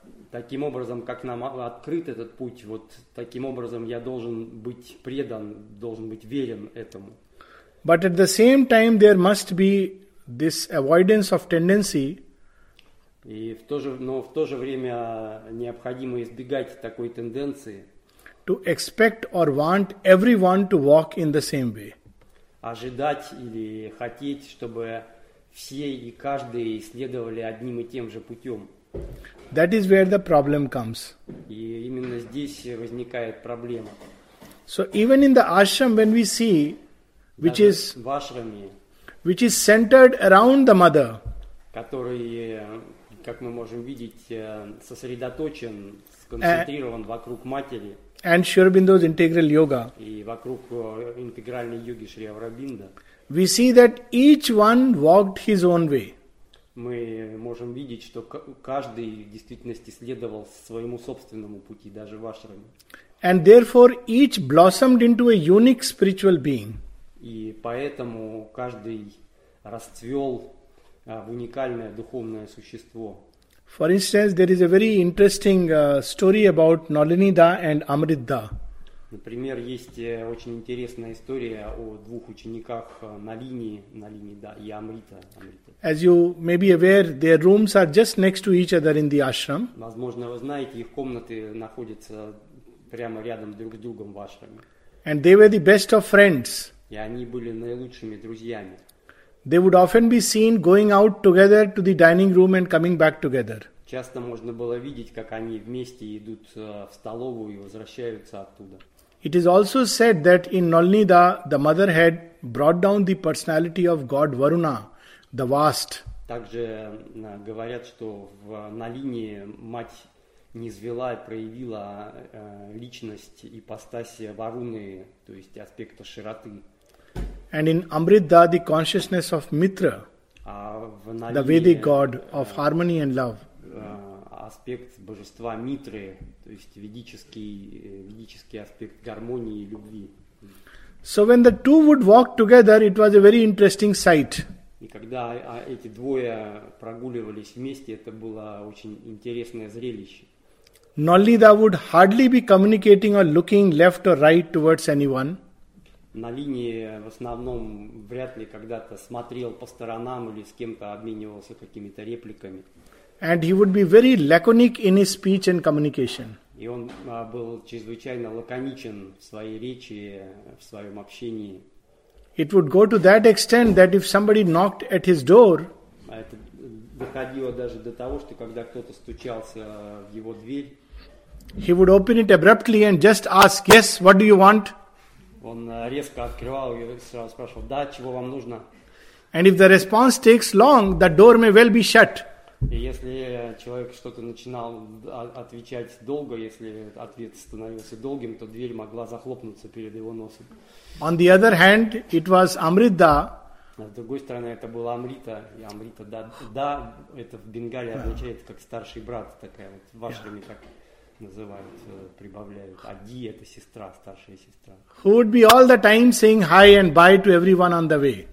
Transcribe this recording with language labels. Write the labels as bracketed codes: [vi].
[ru] Таким образом, как нам открыт этот путь, вот таким образом я должен быть предан, должен быть верен этому. [en] But at the same time, there must be this avoidance of tendency. [ru] Но в то же время необходимо избегать такой тенденции. [en] To expect or want everyone to walk in the same way. [ru] Ожидать или хотеть, чтобы все и каждый следовали одним и тем же путем. [en] That is where the problem comes. [ru] И именно здесь возникает проблема. [en] So even in the ashram when we see, which is centered around the mother, [ru] который, как мы можем видеть, сосредоточен, сконцентрирован вокруг матери, [en] and Sri Aurobindo's integral yoga, [ru] и вокруг интегральной йоги Шри Аурабинда, [en] we see that each one walked his own way. [ru] Мы можем видеть, что каждый в действительности следовал своему собственному пути, даже в ашраме. [en] And therefore each blossomed into a unique spiritual being. [ru] И поэтому каждый расцвел в уникальное духовное существо. [en] For instance, there is a very interesting story about Nalinida and Amritda. [ru] Например, есть очень интересная история о двух учениках Налинида и Амрита. [en] As you may be aware, their rooms are just next to each other in the ashram. [ru] Возможно, вы знаете, их комнаты находятся прямо рядом друг с другом в ашраме. [en] And they were the best of friends. [ru] И они были наилучшими друзьями. [en] They would often be seen going out together to the dining room and coming back together. [ru] Часто можно было видеть, как они вместе идут в столовую и возвращаются оттуда. [en] It is also said that in Nalinida, the mother had brought down the personality of God Varuna, the vast. [ru] Также говорят, что в Налине мать низвела и проявила личность ипостаси Варуны, то есть аспекта широты. [en] And in Amritda, the consciousness of Mitra, the Vedic god of harmony and love. [ru] Аспект божества Митры, то есть ведический аспект гармонии и любви. [en] So when the two would walk together, it was a very interesting sight. [ru] И когда эти двое прогуливались вместе, это было очень интересное зрелище. [en] Nalinida would hardly be communicating or looking left or right towards anyone. [ru] Налини в основном вряд ли когда-то смотрел по сторонам или с кем-то обменивался какими-то репликами. [en] And he would be very laconic in his speech and communication. [ru] И он был чрезвычайно лаконичен в своей речи, в своем общении. [en] It would go to that extent that if somebody knocked at his door, [ru] это доходило даже до того, что когда кто-то стучался в его дверь, [en] he would open it abruptly and just ask, "Yes, what do you want?" [ru] Он резко открывал ее и сразу спрашивал, "Да, чего вам нужно?" [en] And if the response takes long, the door may well be shut. [ru] И если человек что-то начинал отвечать долго, если ответ становился долгим, то дверь могла захлопнуться перед его носом. [en] On the other hand, it was Amritda. [ru] С другой стороны, это была Амрита. И Амрита, да, это в Бенгале означает как старший брат, такая вот в ашраме, как называют, прибавляют. Ади – это сестра, старшая сестра. [en] Who would be all the time saying hi and bye to everyone on the way.